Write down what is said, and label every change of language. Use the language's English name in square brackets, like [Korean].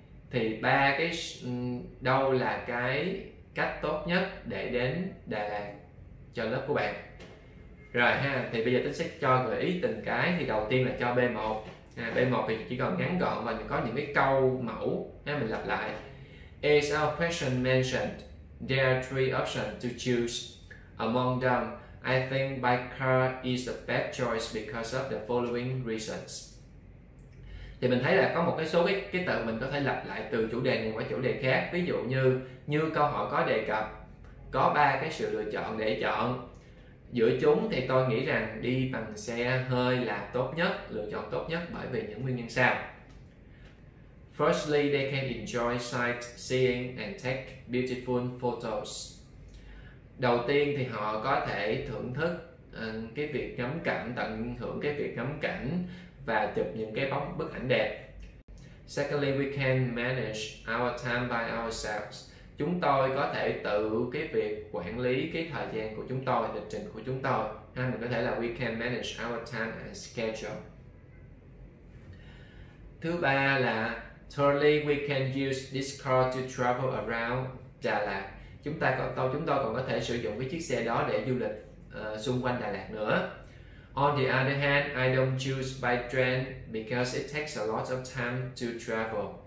[Vietnamese] Thì ba cái đâu là cái cách tốt nhất để đến Đà Lạt cho lớp của bạn? Rồi ha, thì bây giờ Tính sẽ cho gợi ý từng cái. Thì đầu tiên là cho B1. B1 thì chỉ cần ngắn gọn và có những cái câu mẫu ha, mình lặp lại. [English] As our question mentioned, there are three options to choose. Among them, I think by car is the best choice because of the following reasons. [Vietnamese] Thì mình thấy là có một cái số cái từ mình có thể lặp lại từ chủ đề này qua chủ đề khác. Ví dụ như như câu hỏi có đề cập, có ba cái sự lựa chọn để chọn. Giữa chúng thì tôi nghĩ rằng đi bằng xe hơi là tốt nhất, lựa chọn tốt nhất bởi vì những nguyên nhân sau. [English] Firstly, they can enjoy sightseeing and take beautiful photos. [Vietnamese] Đầu tiên thì họ có thể thưởng thức cái việc ngắm cảnh, tận hưởng cái việc ngắm cảnh và chụp những cái bức ảnh đẹp. [English] Secondly, we can manage our time by ourselves. [Vietnamese] Chúng tôi có thể tự cái việc quản lý cái thời gian của chúng tôi, lịch trình của chúng tôi. Hay mình có thể là [English] we can manage our time and schedule. [Vietnamese] Thứ ba là [English] thirdly, we can use this car to travel around Đà Lạt. [Vietnamese] Chúng tôi còn có thể sử dụng cái chiếc xe đó để du lịch xung quanh Đà Lạt nữa. [English] On the other hand, I don't choose by train because it takes a lot of time to travel.